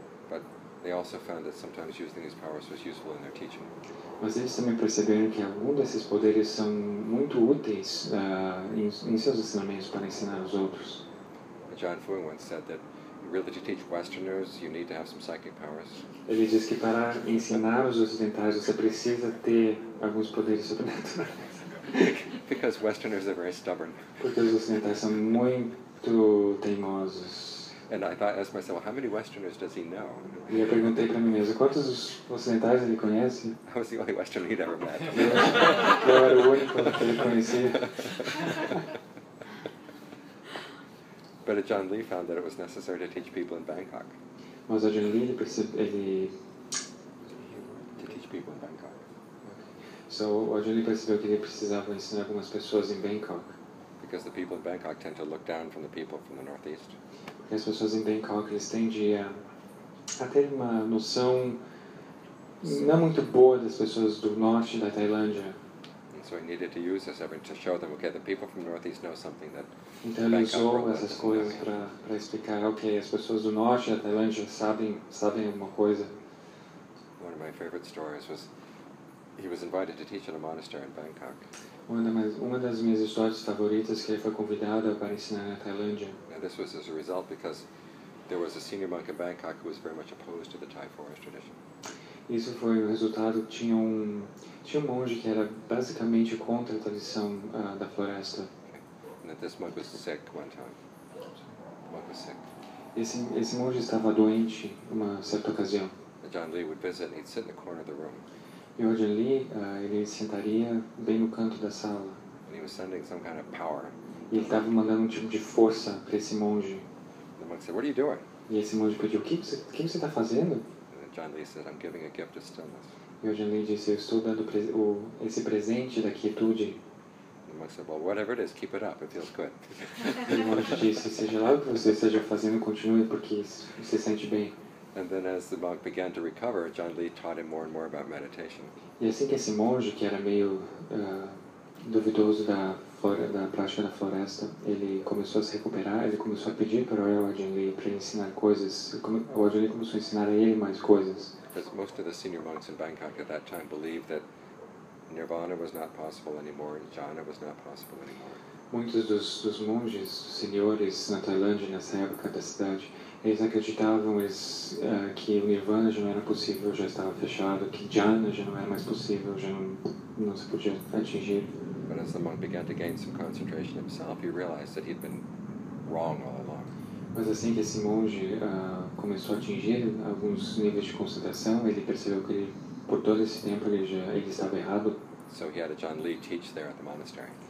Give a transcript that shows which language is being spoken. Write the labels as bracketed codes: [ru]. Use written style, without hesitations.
[en] But they also found that sometimes using these powers was useful in their teaching. [pt] Mas eles também perceberam que alguns desses poderes são muito úteis em seus ensinamentos para ensinar os outros. [en] A Jian Fuang once said that really to teach Westerners, you need to have some psychic powers. [pt] Ele diz que para ensinar os ocidentais, você precisa ter alguns poderes sobrenaturais. [en] Because Westerners are very stubborn. [pt] Porque os ocidentais são muito teimosos. [en] And I thought, asked myself, well, how many Westerners does he know? [pt] E eu perguntei para mim mesmo, quantos ocidentais ele conhece? [en] I was the only Westerner he'd ever met. [pt] Eu era o único que ele conhecia. [en] But Jian Li found that it was necessary to teach people in Bangkok. [pt] Mas Jian Li [en] to teach people in Bangkok. Okay. [pt] So Jian Li percebeu que ele precisava ensinar algumas pessoas em Bangkok. [en] Because the people in Bangkok tend to look down from the people from the northeast. [pt] E as pessoas em Bangkok eles tendem a ter uma noção não muito boa das pessoas do norte da Tailândia. [en] So he needed to use this effort to show them, okay, the people from the northeast know something that. [pt] Então ele usou essas coisas para explicar, okay, as pessoas do norte da Tailândia sabem alguma coisa. [en] One of my favorite stories was he was invited to teach at a monastery in Bangkok. [pt] Uma das minhas histórias favoritas que ele foi convidado para ensinar na Tailândia. [en] And this was as a result because there was a senior monk in Bangkok who was very much opposed to the Thai forest tradition. [pt] Isso foi o resultado. Tinha um monge que era basicamente contra a tradição da floresta. [en] And this monk was sick one time. Monk was sick. [pt] Esse monge estava doente uma certa ocasião. [en] Jian Li would visit and he'd sit in the corner of the room. [pt] E o Jian Li, ele sentaria bem no canto da sala. [en] And he was sending some kind of power. [pt] E ele estava mandando um tipo de força para esse monge. [en] The monk said, "What are you doing?" [pt] E esse monge pediu, o que você está fazendo? [en] Jian Li said, "I'm giving a gift of stillness." [pt] E o Jian Li disse, "Eu estou dando esse presente da quietude." [en] The monk said, "Well, whatever it is, keep it up. It feels good." [pt] E o monge disse, "Seja lá o que você esteja fazendo, continue porque você sente bem." [en] And then, as the monk began to recover, Jian Li taught him more and more about meditation. [pt] E assim que esse monge que era meio duvidoso da prática da floresta, ele começou a se recuperar, ele começou a pedir para o Jian Li para ensinar coisas. O Jian Li começou a ensinar a ele mais coisas. [en] Because most of the senior monks in Bangkok at that time believed that nirvana was not possible anymore, and jhana was not possible anymore. [pt] Muitos dos monges, senhores na Tailândia nessa época da cidade, eles acreditavam que o nirvana já não era possível, já estava fechado, que jhana já não era mais possível, já não se podia atingir. [en] But as the monk began to gain some concentration himself, he realized that he'd been wrong all along. [pt] Mas assim que esse monge começou a atingir alguns níveis de concentração, ele percebeu que por todo esse tempo ele estava errado. [en] So he had a Jian Li teach there at the monastery.